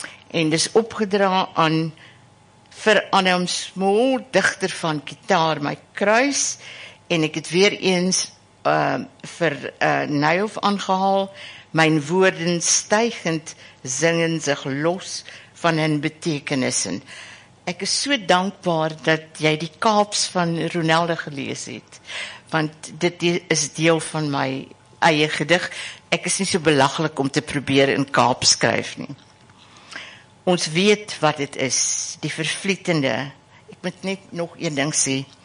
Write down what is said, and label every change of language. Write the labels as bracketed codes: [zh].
[af] En dis opgedra aan vir Adam Smol, digter van Kitaar my kruis, en ek het weer eens vir Nijhof aangehaal, [nl] myn woorden stygend zingen zich los van hun betekenissen. [af] Ek is so dankbaar dat jy die Kaaps van Ronelde gelees het, want dit is deel van my eie gedig. Ek is nie so belaglik om te probeer in Kaap skryf nie. Ons weet wat het is, die vervlietende. Ek moet net nog een ding sê.